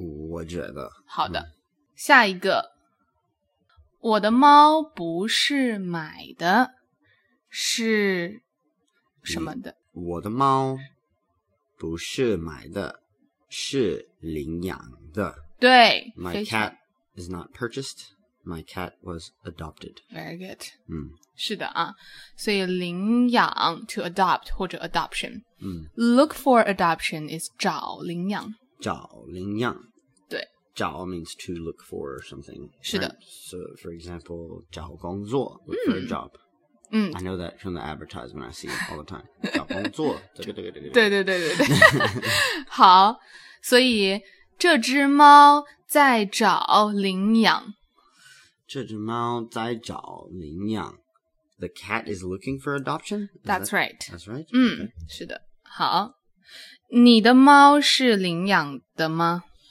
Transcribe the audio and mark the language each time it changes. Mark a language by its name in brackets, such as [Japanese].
[Chinese] 我觉得好的下一个我的猫不是买的是什么的我的猫不是买的是领养的对 [English] My cat is not purchased My cat was adopted Very good、 [Chinese] 是的啊所以领养 To adopt 或者 adoption、 [English] Look for adoption is 找领养找领养找 means to look for something. [Chinese] 是的、 [English] So, for example, 找工作 look for a job.、I know that from the advertisement I see all the time. [Chinese] 找工作对对对对对。好所以这只猫在找领养。这只猫在找领养。 The cat is looking for adoption? [English] That's right. That's right?、 [Chinese] okay. 是的。好你的猫是领养的吗